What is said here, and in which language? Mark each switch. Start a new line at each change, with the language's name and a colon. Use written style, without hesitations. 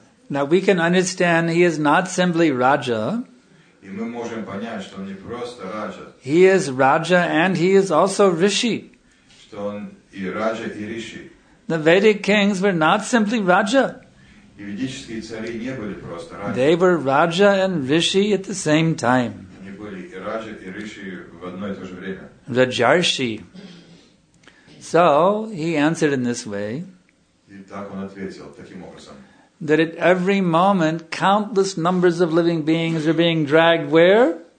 English: Now we can understand he is not simply Raja.
Russian: И мы можем понять, что он не просто Раджа.
English: He is Raja and he is also Rishi.
Russian: Что он и Раджа, и Риши.
English: The Vedic kings were not simply Raja.
Russian: И ведические цари не были просто Раджа.
English: They were Raja and Rishi at the same time.
Russian: Они были и Раджа, и Риши в одно и то же время.
English: Раджарши. So, he answered in this way.
Russian: И так он ответил, таким образом.
English: That at every moment, countless numbers of living beings are being dragged where?